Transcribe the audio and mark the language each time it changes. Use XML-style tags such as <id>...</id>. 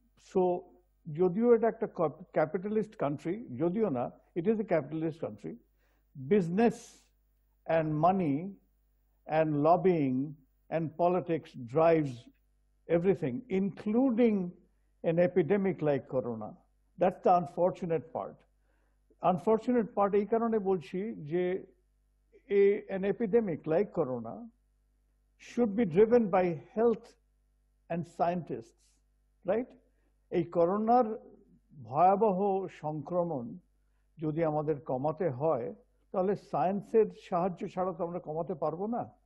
<bn>So যদিও এটা একটা ক্যাপিটালিস্ট কান্ট্রি, যদিও না,</bn> <en>It is a capitalist country, business and money and lobbying and politics drives everything, including an epidemic like corona. That's the unfortunate part.</en> <bn>Ei karone bolchi je</bn> <en>an epidemic like corona should be driven by health and scientists, right?</en> <bn>Ei coronar bhayabaho sankraman যদি আমাদের কমাতে হয় তাহলে সায়েন্সের সাহায্য ছাড়া তো আমরা কমাতে পারবো না।</bn>